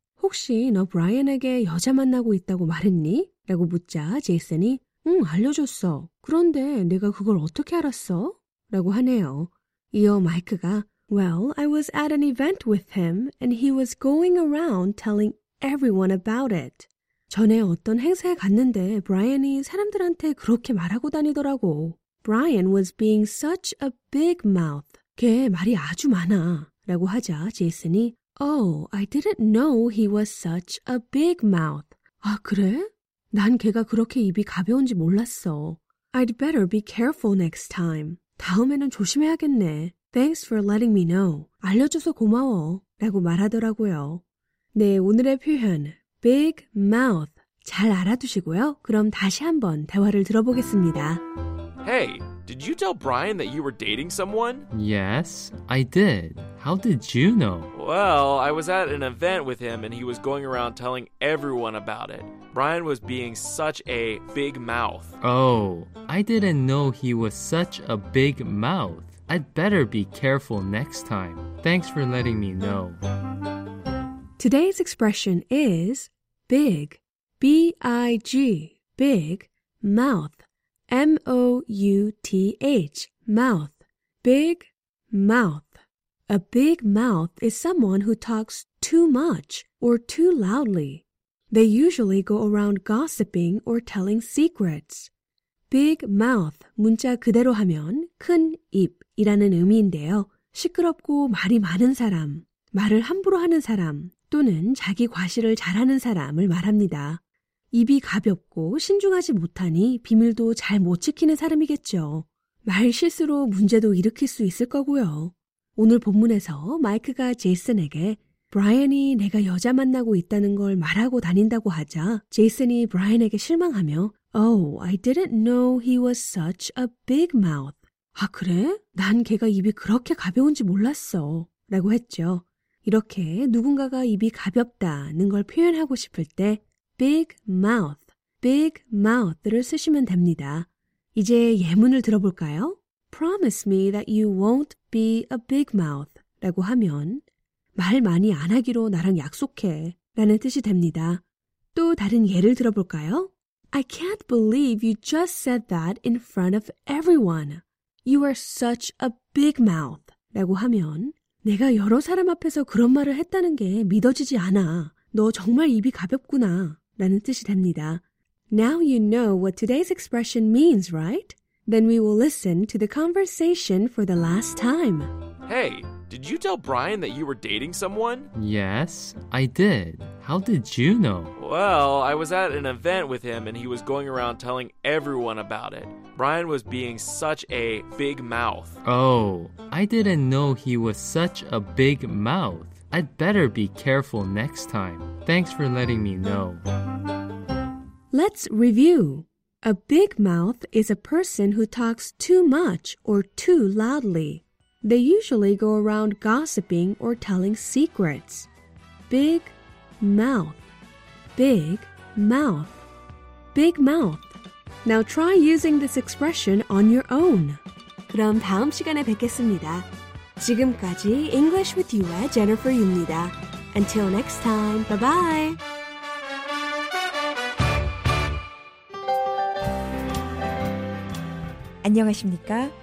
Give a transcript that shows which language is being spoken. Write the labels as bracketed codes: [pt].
[ko] 혹시 너 브라이언에게 여자 만나고 있다고 말했니? 라고 묻자 제이슨이 응, 알려줬어. 그런데 내가 그걸 어떻게 알았어? 라고 하네요. 이어 마이크가 [en] Well, I was at an event with him and he was going around telling everyone about it. [ko] 전에 어떤 행사에 갔는데 브라이언이 사람들한테 그렇게 말하고 다니더라고. [en] Brian was being such a big mouth. [ko] 걔 말이 아주 많아. 라고 하자 제이슨이 [en] Oh, I didn't know he was such a big mouth. [ko] 아, 그래? 난 걔가 그렇게 입이 가벼운지 몰랐어. [en] I'd better be careful next time. [ko] 다음에는 조심해야겠네. [en] Thanks for letting me know. [ko] 알려줘서 고마워. 라고 말하더라고요. 네, 오늘의 표현, big mouth. 잘 알아두시고요. 그럼 다시 한번 대화를 들어보겠습니다. [en] Hey, did you tell Brian that you were dating someone? Yes, I did. How did you know? Well, I was at an event with him and he was going around telling everyone about it. Brian was being such a big mouth. Oh, I didn't know he was such a big mouth. I'd better be careful next time. Thanks for letting me know. Today's expression is big. B-I-G. Big. Mouth. M-O-U-T-H, mouth, big mouth. A big mouth is someone who talks too much or too loudly. They usually go around gossiping or telling secrets. [ko] Big mouth, 문자 그대로 하면 큰 입이라는 의미인데요. 시끄럽고 말이 많은 사람, 말을 함부로 하는 사람 또는 자기 과시를 잘하는 사람을 말합니다. 입이 가볍고 신중하지 못하니 비밀도 잘 못 지키는 사람이겠죠. 말 실수로 문제도 일으킬 수 있을 거고요. 오늘 본문에서 마이크가 제이슨에게 브라이언이 내가 여자 만나고 있다는 걸 말하고 다닌다고 하자 제이슨이 브라이언에게 실망하며 [en] Oh, I didn't know he was such a big mouth. [ko] 아, 그래? 난 걔가 입이 그렇게 가벼운지 몰랐어. 라고 했죠. 이렇게 누군가가 입이 가볍다는 걸 표현하고 싶을 때 big mouth, big mouth를 쓰시면 됩니다. 이제 예문을 들어볼까요? [en] Promise me that you won't be a big mouth [ko] 라고 하면 말 많이 안 하기로 나랑 약속해 라는 뜻이 됩니다. 또 다른 예를 들어볼까요? [en] I can't believe you just said that in front of everyone. You are such a big mouth [ko] 라고 하면 내가 여러 사람 앞에서 그런 말을 했다는 게 믿어지지 않아. 너 정말 입이 가볍구나 라는 뜻이 됩니다. [en] Now you know what today's expression means, right? Then we will listen to the conversation for the last time. Hey, did you tell Brian that you were dating someone? Yes, I did. How did you know? Well, I was at an event with him and he was going around telling everyone about it. Brian was being such a big mouth. Oh, I didn't know he was such a big mouth. I'd better be careful next time. Thanks for letting me know. Let's review. A big mouth is a person who talks too much or too loudly. They usually go around gossiping or telling secrets. Big mouth. Big mouth. Big mouth. Now try using this expression on your own. [ko] 그럼 다음 시간에 뵙겠습니다. 지금까지 English with You의 제니퍼입니다. [en] Until next time, bye-bye! [ko] (목소리) 안녕하십니까?